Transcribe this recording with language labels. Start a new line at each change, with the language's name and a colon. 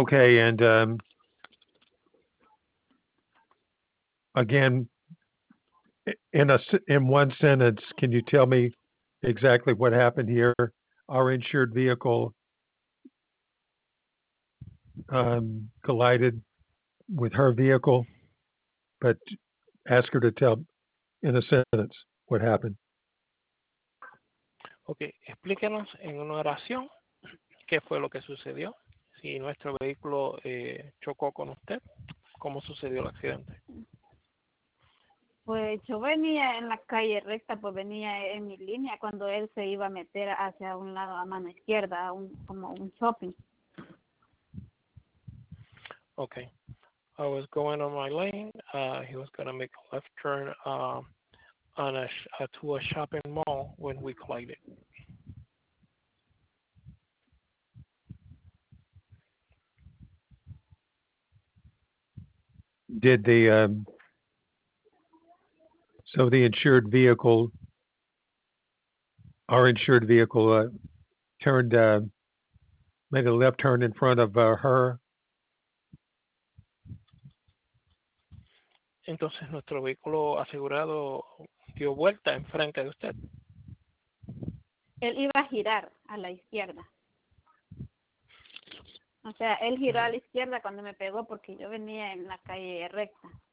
English: Okay, and again, in one sentence, can you tell me exactly what happened here? Our insured vehicle collided with her vehicle, but ask her to tell in a sentence what happened.
Spanish: Okay, explíquenos en una oración qué fue lo que sucedió. Si nuestro vehículo chocó con usted, ¿cómo sucedió el accidente? Pues yo venía en la calle recta, pues venía en mi línea cuando él se iba a meter hacia un lado a mano izquierda, como un shopping.
English: Okay. I was going on my lane. He was going to make a left turn to a shopping mall when we collided. Did the the insured vehicle, our insured vehicle, made a left turn in front of her?
Spanish: Entonces nuestro vehículo asegurado dio vuelta en frente de usted. Él iba a girar a la izquierda. O sea, él giró a la izquierda cuando me pegó porque yo venía en la calle recta.